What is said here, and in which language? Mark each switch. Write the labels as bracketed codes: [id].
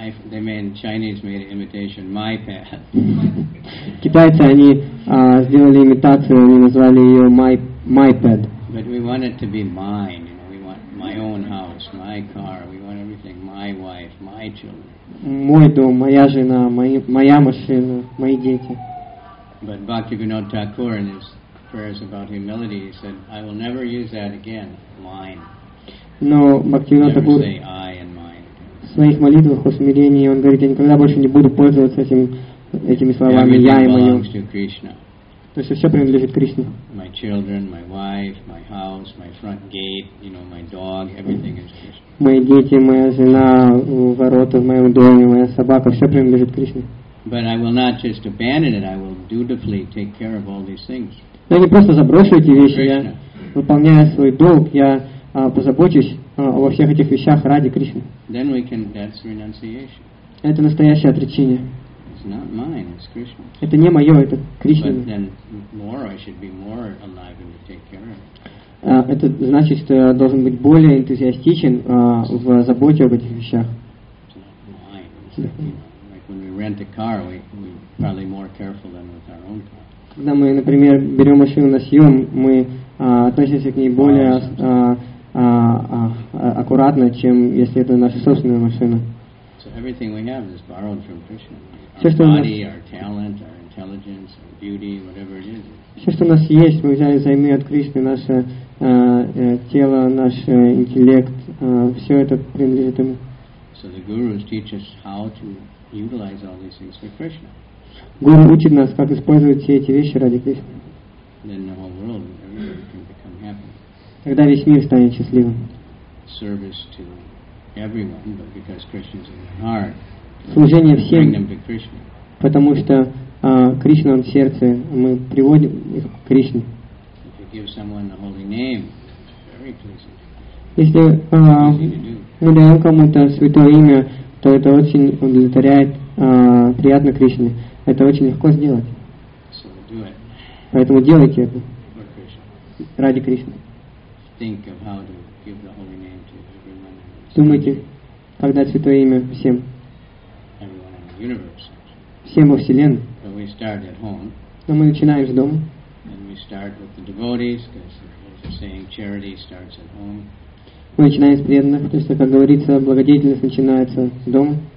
[en] They made Chinese made an imitation my pad. [ru] Китайцы они сделали имитацию, они назвали ее my pad. [en] But we want it to be mine, you know. We want my own house, my car, we want everything, my wife, my children. [ru] Мой дом, моя жена, моя машина, мои дети. [en] But Bhaktivinoda Thakur in his prayers about humility he said, I will never use that again, mine. No, Bhaktivinoda Thakur say I and mine. [ru] В своих молитвах о смирении он говорит, я никогда больше не буду пользоваться этими словами «я» и «моё». То есть все принадлежит Кришне. [en] My children, my wife, my house, my front gate, you know, my dog, everything is Krishna. [ru] Мои дети, моя жена, ворота в моем доме, моя собака, все принадлежит Кришне. [en] But I will not just abandon it, I will dutifully take care of all these things. [ru] Я не просто заброшу эти вещи, я выполняю свой долг, я позабочусь обо всех этих вещах ради Кришны. [en] Then we can, that's renunciation. [ru] Это настоящее отречение. [en] It's not mine, it's Krishna's. [ru] Это не мое, это Кришна. [en] But then more, I should be more alive and take care of. [ru] Это значит, что я должен быть более энтузиастичен в заботе об этих вещах. [en] It's not mine. It's like, you know, like when we rent a car, we probably more careful than with our own car. [ru] Когда мы, например, берем машину на съем, мы относимся к ней более аккуратно, чем если это наша собственная машина. [en] So everything we have is borrowed from Krishna. Our body, our talent, our intelligence, our beauty, whatever it is. [ru] Все, что у нас есть, мы взяли взаймы от Кришны, наше тело, наш интеллект, все это принадлежит ему. [en] So the gurus teach us how to utilize all these things for Krishna. [ru] Гуру учит нас, как использовать все эти вещи ради Кришны. [en] Then the whole world, everything can become happy. [ru] Тогда весь мир станет счастливым. [en] Service to everyone, but because Krishna's in their heart. [ru] Служение всем, [en] bring them to Krishna. [ru] Потому что Кришна, он в сердце, мы приводим их к Кришне. [en] If you give someone the holy name, very pleasing. [ru] Если мы даем кому-то святое имя, то это очень удовлетворяет приятно Кришне. Это очень легко сделать. [en] So do it. [ru] Поэтому делайте это. [en] For Krishna. [ru] Ради Кришны. [en] Think of how to give the holy name to everyone. [ru] Думайте, как дать святое имя всем. [en] Everyone in the universe. [ru] Всем во Вселенной. [en] But we start at home. [ru] Но мы начинаем с дома. [en] And we start with the devotees, because as you're saying, charity starts at home. [ru] Мы начинаем с преданных, потому что, как говорится, благодетельность начинается с дома.